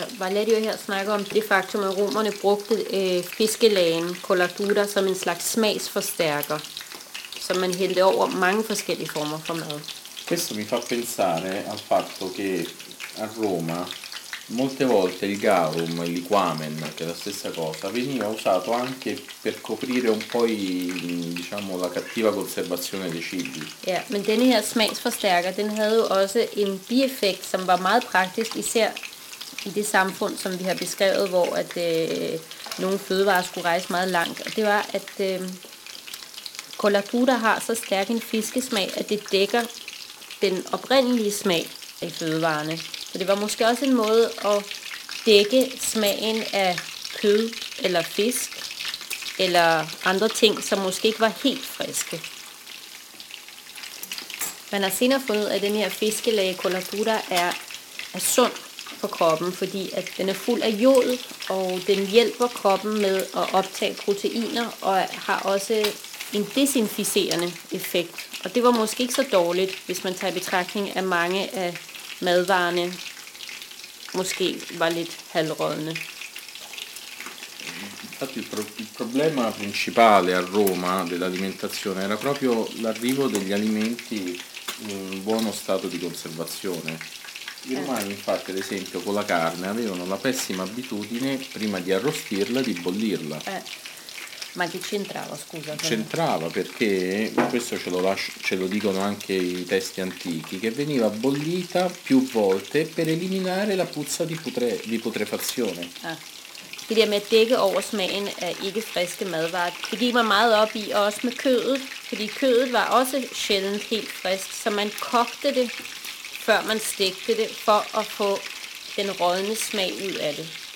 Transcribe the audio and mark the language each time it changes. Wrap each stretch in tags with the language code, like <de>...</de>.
<da>Valerio her snakker om det faktum, at romerne brugte fiskelagen, colatura, som en slags smagsforstærker, som man hældte over mange forskellige former for mad.</da> <it>Questo mi fa pensare al fatto che a Roma molte volte il garum, il liquamen, che è la stessa cosa, veniva usato anche per coprire un po' diciamo la cattiva conservazione dei cibi.</it> <da>Ja, men denne her smagsforstærker, den havde jo også en bieffekt, som var meget praktisk, især i det samfund, som vi har beskrevet, hvor at nogle fødevarer skulle rejse meget langt. Og det var, at colatura har så stærk en fiskesmag, at det dækker den oprindelige smag af fødevarene. Så det var måske også en måde at dække smagen af kød eller fisk eller andre ting, som måske ikke var helt friske. Man har senere fundet ud af, at den her fiskelage colatura er sund for kroppen, fordi at den er fuld af jod, og den hjælper kroppen med at optage proteiner og har også en desinficerende effekt. Og det var måske ikke så dårligt, hvis man tager i betragtning af mange af madvarerne måske var lidt halvrådne.</da> <it>Infatti il problema principale a Roma dell'alimentazione era proprio l'arrivo degli alimenti in buono stato di conservazione. I romani, infatti, ad esempio, con la carne avevano la pessima abitudine, prima di arrostirla, di bollirla. Ma che c'entrava, scusa? C'entrava, perché questo ce lo dicono anche i testi antichi, che veniva bollita più volte per eliminare la puzza di putrefazione.</it> <da>Det der med at dække over smagen af ikke friske madvarer, det gik mig meget op i, også med kødet, fordi kødet var også sjældent helt frisk, så man kogte det, før man stegte det, for at få den rådne smag ud af det.</da>